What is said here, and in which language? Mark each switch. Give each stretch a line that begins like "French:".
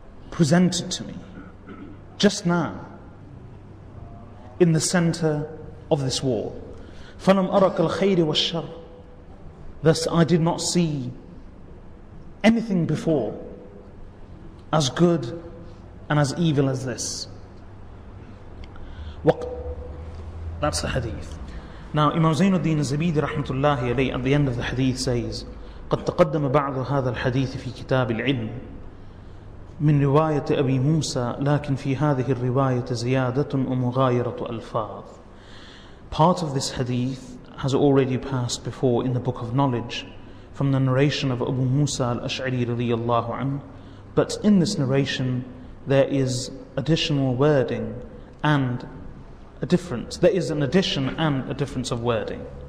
English: presented to me just now in the center of this wall.
Arabic: فَلَمْ أَرَكَ الْخَيْرِ وَالشَّرِ.
English: Thus I did not see anything before as good and as evil as this. That's the hadith. Now Imam Zainuddin Zabidi rahmatullahi alayhi at the end of the hadith says,
Arabic: قَدْ تَقَدَّمَ بَعْضُ هَذَا الْحَدِيثِ فِي كِتَابِ الْعِلْمِ مِنْ رِوَايَةِ أَبِي مُوسَى لَكِنْ فِي هَذِهِ الرِّوَايَةِ زِيَادَةٌ وَمُغَايِرَةُ أَلْفَاظٍ.
English: Part of this hadith has already passed before in the Book of Knowledge from the narration of Abu Musa al-Ash'ari radiyallahu anhu, but in this narration there is additional wording and a difference. There is an addition and a difference of wording.